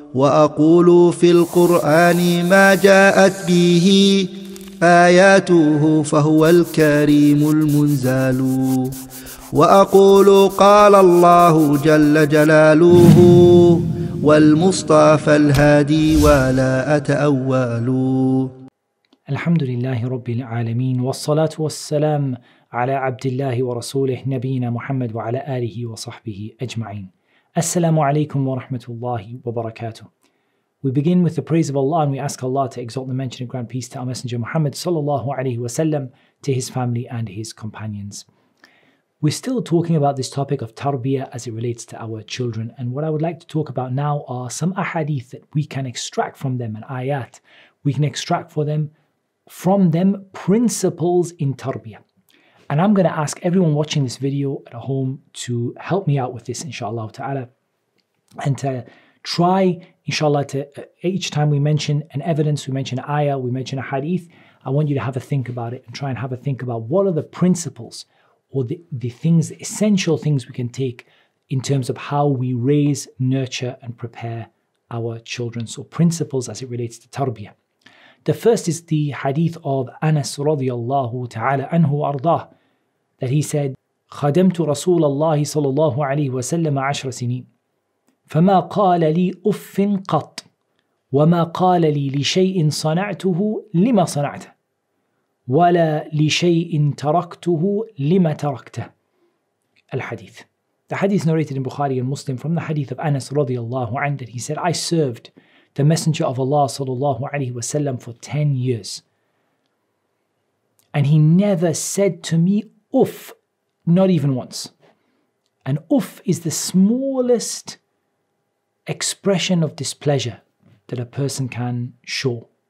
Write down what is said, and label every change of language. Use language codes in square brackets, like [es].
[ar] وأقول في القرآن ما جاءت به آياته فهو الكريم المنزال وأقول قال الله جل جلاله والمصطفى الهادي ولا أتأول الحمد لله رب العالمين والصلاة والسلام على عبد الله ورسوله نبينا محمد وعلى آله وصحبه أجمعين السلام عليكم ورحمة الله وبركاته. [en] We begin with the praise of Allah, and we ask Allah to exalt the mention and grant peace to our Messenger Muhammad sallallahu alaihi wasallam, to his family and his companions. We're still talking about this topic of tarbiyah as it relates to our children, and what I would like to talk about now are some ahadith that we can extract from them, and ayat we can extract from them principles in tarbiyah. And I'm going to ask everyone watching this video at home to help me out with this, inshallah ta'ala, and to try, inshallah, to each time we mention an evidence, we mention an ayah, we mention a hadith, I want you to have a think about it and try and have a think about what are the principles or the things, the essential things we can take in terms of how we raise, nurture, and prepare our children. So principles as it relates to tarbiyah. The first is the hadith of Anas radiallahu ta'ala anhu ardah, that he said, [ar] خَدَمْتُ رَسُولَ اللَّهِ صَلَى اللَّهُ عَلَيْهِ وَسَلَّمَ عَشْرَ سِنِينَ فما قال لي أف قط وما قال لي لشيء صنعته لما صنعته ولا لشيء تركته لما تركته الحديث. [en] The hadith narrated in Bukhari and Muslim from the hadith of Anas radiallahu anhu, that he said, I served the Messenger of Allah sallallahu alayhi wa sallam for 10 years and he never said to me uff, not even once. And uff is the smallest expression of displeasure that a person can show.